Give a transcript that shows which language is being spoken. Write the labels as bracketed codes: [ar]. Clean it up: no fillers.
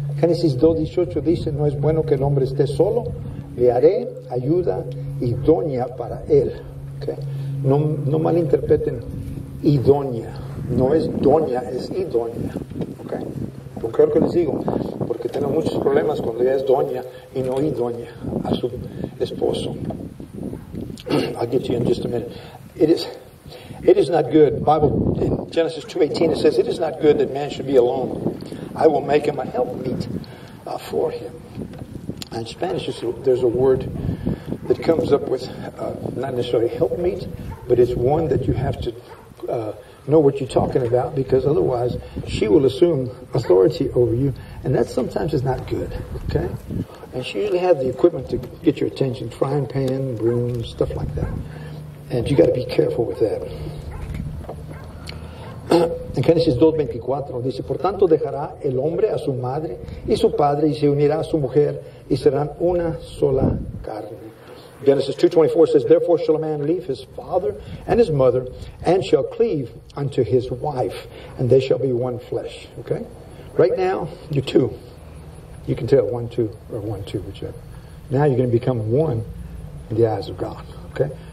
[es] Génesis 2:18 dice: no es bueno que el hombre esté solo, le haré ayuda idónea para él. Okay. No malinterpreten idónea, no es doña, es idónea. Okay. Porque creo que les digo, porque tengo muchos problemas cuando ella es doña y no idónea a su esposo. [en] I'll get you in just a minute. It is not good. Bible in Genesis 2:18 it says, it is not good that man should be alone. I will make him a helpmeet for him. In Spanish, there's a word that comes up with not necessarily helpmeet, but it's one that you have to know what you're talking about, because otherwise she will assume authority over you, and that sometimes is not good. Okay, and she usually has the equipment to get your attention: frying pan, broom, stuff like that. And you got to be careful with that. [es] En Génesis 2:24 dice: por tanto dejará el hombre a su madre y su padre y se unirá a su mujer y serán una sola carne. [en] Genesis 2:24 says: therefore shall a man leave his father and his mother and shall cleave unto his wife, and they shall be one flesh. Okay? Right now, you're two. You can tell, one, two, or one, two, whichever. Now you're going to become one in the eyes of God. Okay?